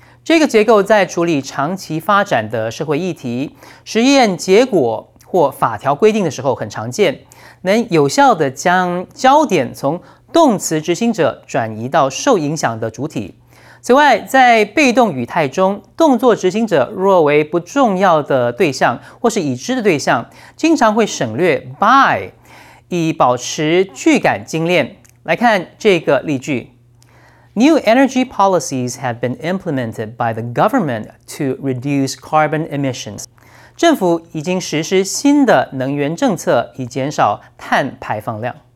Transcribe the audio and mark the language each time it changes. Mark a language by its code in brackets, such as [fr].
[zh] 这个结构在处理长期发展的社会议题、实验结果或法条规定的时候很常见，能有效地将焦点从动词执行者转移到受影响的主体。此外，在被动语态中，动作执行者若为不重要的对象或是已知的对象，经常会省略 by， 以保持句感精炼。来看这个例句。 [en] New energy policies have been implemented by the government to reduce carbon emissions. [zh] 政府已经实施新的能源政策以减少碳排放量。